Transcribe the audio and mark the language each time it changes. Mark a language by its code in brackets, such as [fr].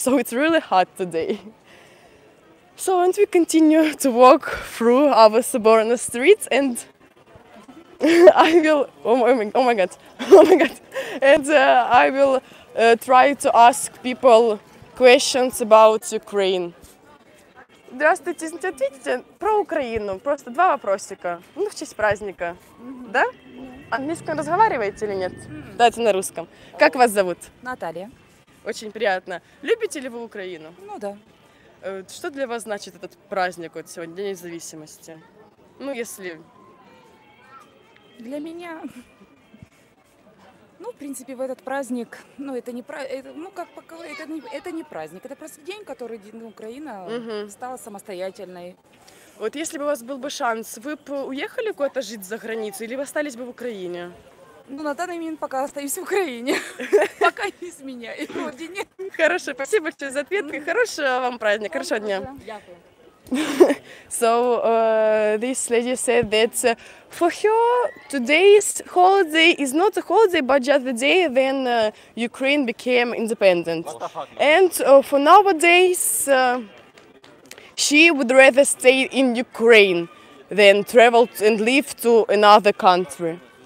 [en] So it's really hot today. So, and we continue to walk through our Soborna streets, and I will. Oh my God! And I will try to ask people questions about Ukraine. [ru] Здравствуйте, не ответите про Украину. Просто два вопросика. Ну, в честь праздника. Mm-hmm. Да? Mm-hmm. Английском разговариваете или нет? Mm-hmm. Да, это на русском. Как вас зовут? Наталья. Очень приятно. Любите ли вы Украину? Ну да. Что для вас значит этот праздник вот сегодня, День независимости? Ну, если... Для меня... Ну, в принципе, в этот праздник, ну, это не праздник, ну, как показалось, это не праздник, это просто день, который Украина стала самостоятельной. Вот если бы у вас был бы шанс, вы бы уехали куда-то жить за границу или остались бы в Украине? Ну, на данный момент пока остаюсь в Украине, пока не изменяю. Хорошо, спасибо большое за ответ и хорошего вам праздника, хорошего дня. [uk] Дякую. [en] So this lady said that for her today's holiday is not a holiday, but just the day when Ukraine became independent. And for nowadays, she would rather stay in Ukraine than travel and live to another country.